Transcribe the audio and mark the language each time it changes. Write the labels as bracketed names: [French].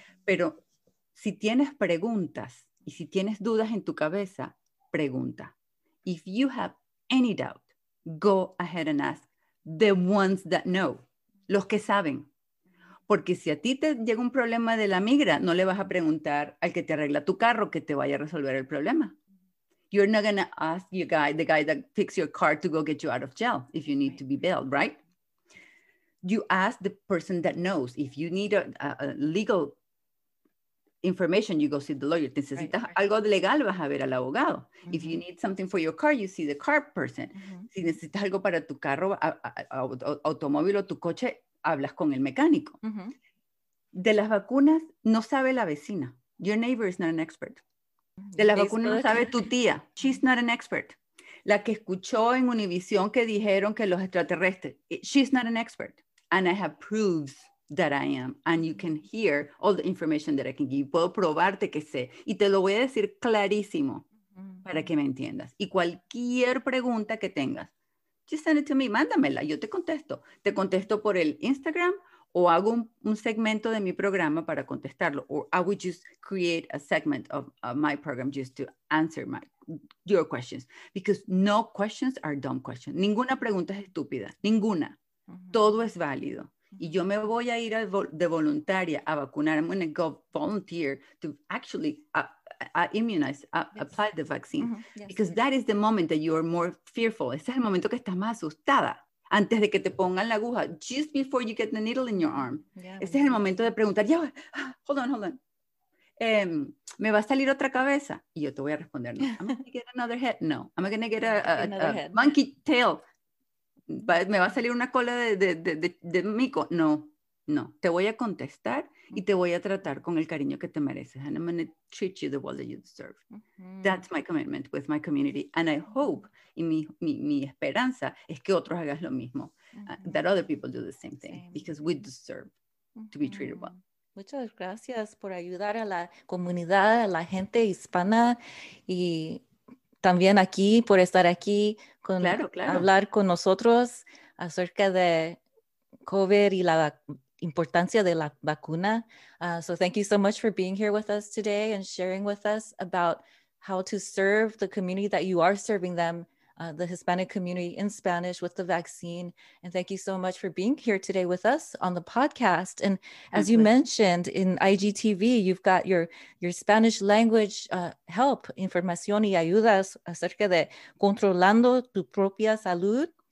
[Spanish] Pero si tienes preguntas y si tienes dudas en tu cabeza, pregunta. [English] If you have any doubt, go ahead and ask the ones that know, [Spanish] los que saben. Porque si a ti te llega un problema de la migra, no le vas a preguntar al que te arregla tu carro que te vaya a resolver el problema. [English] You're not gonna ask the guy that fixed your car to go get you out of jail if you need to be bailed, right? You ask the person that knows. If you need a legal information, you go see the lawyer. [Spanish] Necesitas algo legal, vas a ver al abogado. [English] If you need something for your car, you see the car person. [Spanish] Si necesitas algo para tu carro, automóvil o tu coche, hablas con el mecánico. De las vacunas, no sabe la vecina. [English] Your neighbor is not an expert. [Spanish] De la vacuna no sabe tu tía. [English] She's not an expert. [Spanish] La que escuchó en Univision que dijeron que los extraterrestres. [English] She's not an expert. And I have proofs that I am. And you can hear all the information that I can give. [Spanish] Puedo probarte que sé. Y te lo voy a decir clarísimo para que me entiendas. Y cualquier pregunta que tengas, [English] just send it to me. [Spanish] Mándamela. Yo te contesto. Te contesto por el Instagram o hago un segmento de mi programa para contestarlo, o [English] I would just create a segment of my program just to answer your questions, because no questions are dumb questions. [Spanish] Ninguna pregunta es estúpida, ninguna. Todo es válido. Y yo me voy a ir de voluntaria a vacunar. [English] I'm going to go volunteer to actually immunize, apply the vaccine, because that is the moment that you are more fearful. [Spanish] Ese es el momento que estás más asustada. Antes de que te pongan la aguja, [English] just before you get the needle in your arm. [Spanish] Ese es el momento de preguntar, ya, [English] hold on, hold on. [Spanish] ¿Me va a salir otra cabeza? Y yo te voy a responder, no. [English] ¿Am I going to get [Spanish] another head? No. ¿Am I going to get [English] Another a head. monkey tail? [Spanish] ¿Me va a salir una cola de mico? No, no. Te voy a contestar y te voy a tratar con el cariño que te mereces. [English] And I'm going to treat you the way that you deserve. That's my commitment with my community. And I hope, [Spanish] y mi esperanza es que otros hagas lo mismo. [English] That other people do the same thing. Same. Because we deserve to be treated well. [Spanish] Muchas gracias por ayudar a la comunidad, a la gente hispana y también aquí por estar aquí Claro, con claro. hablar con nosotros acerca de COVID y la importancia de la vacuna. [English] So thank you so much for being here with us today and sharing with us about how to serve the community that you are serving them, the Hispanic community in Spanish with the vaccine. And thank you so much for being here today with us on the podcast. And My as you pleasure. mentioned in IGTV, you've got your Spanish language help, [Spanish] información y ayudas acerca de controlando tu propia salud.